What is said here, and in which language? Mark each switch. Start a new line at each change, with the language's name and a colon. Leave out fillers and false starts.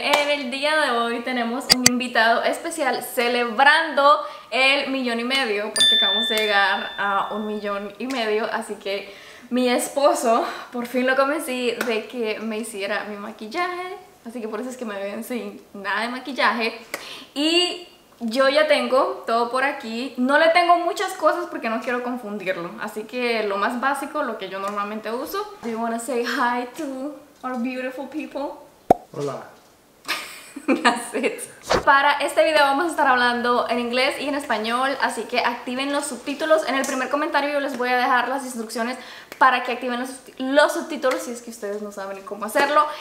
Spanish: En el día de hoy tenemos un invitado especial celebrando el 1,000,000 y medio, porque acabamos de llegar a 1,000,000 y medio, así que mi esposo por fin lo convencí de que me hiciera mi maquillaje, así que por eso es que me ven sin nada de maquillaje. Y yo ya tengo todo por aquí, no le tengo muchas cosas porque no quiero confundirlo, así que lo más básico, lo que yo normalmente uso.
English: Do you want to say hi to our beautiful people?
Spanish: Hola.
English: That's it.
Spanish: Para este video vamos a estar hablando en inglés y en español, así que activen los subtítulos. En el primer comentario yo les voy a dejar las instrucciones para que activen los subtítulos si es que ustedes no saben cómo hacerlo.